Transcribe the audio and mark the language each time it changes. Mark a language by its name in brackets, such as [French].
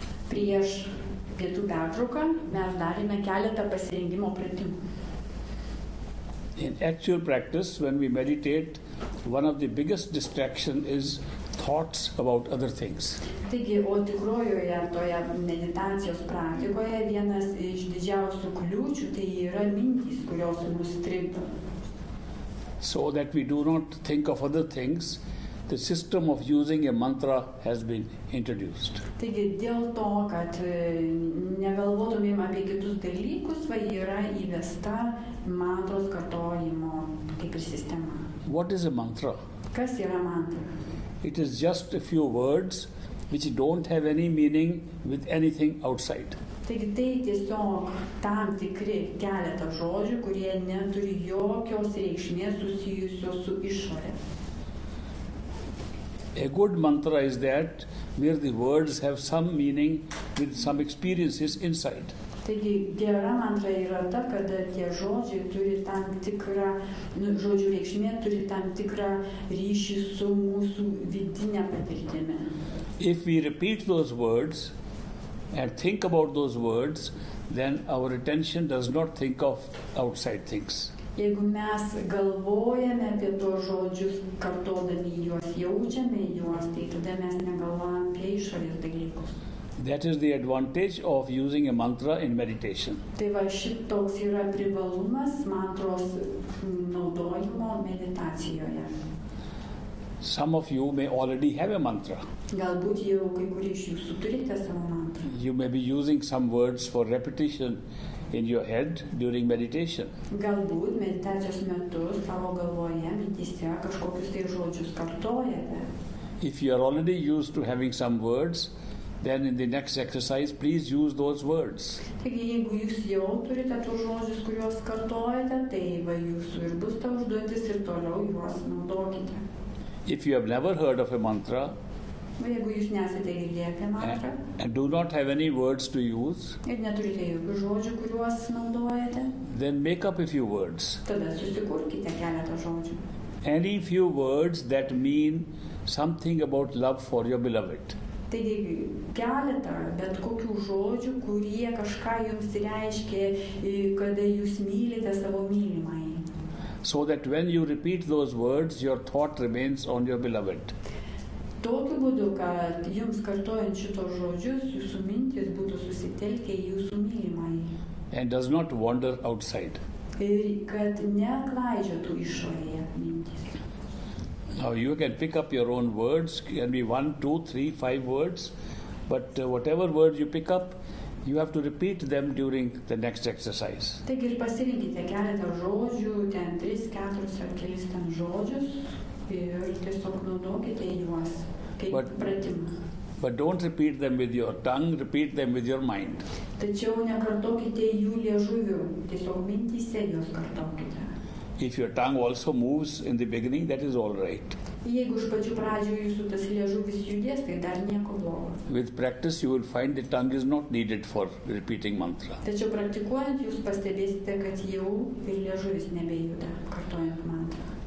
[Lithuanian] Prieš pietų pertrauką mes darėme keletą pasirengimo pratimų. [English] In actual practice, when we meditate, one of the biggest distractions is thoughts about other things. [Lithuanian] Taigi, o tikrojoje toje meditacijos praktikoje vienas iš didžiausių kliūčių tai yra mintys, kurios mus trikdo. [English] So that we do not think of other things, the system of using a mantra has been introduced. [Lithuanian] Taigi, dėl to, kad negalvotumėm apie kitus dalykus, va yra įvesta mantros kartojimo kaip ir sistema. [English] What is a mantra? [Lithuanian] Kas yra mantra? [English] It is just a few words which don't have any meaning with anything outside. [Lithuanian] Taigi, tai tiesiog tam tikri keletą žodžių, kurie neturi jokios reikšmės susijusios su išorė. [English] A good mantra is that where the words have some meaning with some experiences inside. [Lithuanian] Taigi, gera mantra yra ta, kada tie žodžiai turi tam tikrą, žodžių reikšmė turi tam tikrą ryšį su mūsų vidinė patirtimi. [English] If we repeat those words and think about those words, then our attention does not think of outside things. [Lithuanian] Jeigu mes galvojame apie tuos žodžius, kartodami juos, jaučiame juos, tai tada mes negalvojame apie išorės dalykus. [English] That is the advantage of using a mantra in meditation. [Lithuanian] Tai va, šitoks yra privalumas mantros naudojimo meditacijoje. [English] Some of you may already have a mantra. [Lithuanian] Galbūt jau kai kurie iš jūsų turite savo mantrą. [English] You may be using some words for repetition in your head during meditation. [Lithuanian] Galbūt meditacijos metu savo galvoje mintyse kažkokius tai žodžius kartojate. [English] If you are already used to having some words, then in the next exercise, please use those words. [Lithuanian] Taigi, jeigu jūs jau turite tų žodžius, kuriuos kartojate, tai va jūsų ir bus ta užduotis ir toliau juos naudokite. [English] If you have never heard of a mantra, [Lithuanian] jeigu jūs nesate girdėję apie mantrą, [English] and do not have any words to use, [Lithuanian] ir neturite jokių žodžių, kuriuos naudojate, [English] then make up a few words. [Lithuanian] Tada susikurkite keletą žodžių. [English] Any few words that mean something about love for your beloved. [Lithuanian] Taigi, keletą bet kokių žodžių, kurie kažką jums reiškia, kada jūs mylite savo mylimąjį. [English] So that when you repeat those words, your thought remains on your beloved. [Lithuanian] Tokiu būdu, kad jums kartojant šitos žodžius, jūsų mintis būtų susitelkę į jūsų mylimąjį. [English] And does not wander outside. [Lithuanian] Ir kad neklaidžiotų išorėje mintis. [English] Now you can pick up your own words, can be 1, 2, 3, 5 words, but whatever words you pick up, you have to repeat them during the next exercise. [Lithuanian] Taigi ir pasirinkite keletą žodžių, ten 3, 4 ar kelis ten žodžius ir tiesiog naudokite juos kaip pratimą. [English] But don't repeat them with your tongue, repeat them with your mind. [Lithuanian] Tačiau nekartokite jų liežuviu, tiesiog mintyse juos kartokite. [English] If your tongue also moves in the beginning, that is all right. [Lithuanian] Jeigu iš pačių pradžių jūsų tas liežuvis judės, tai dar nieko blogo. [English] With practice you will find the tongue is not needed for repeating mantra. [Lithuanian] Tačiau praktikuojant jūs pastebėsite, kad jau ir liežuvis nebejuda kartojant mantrą.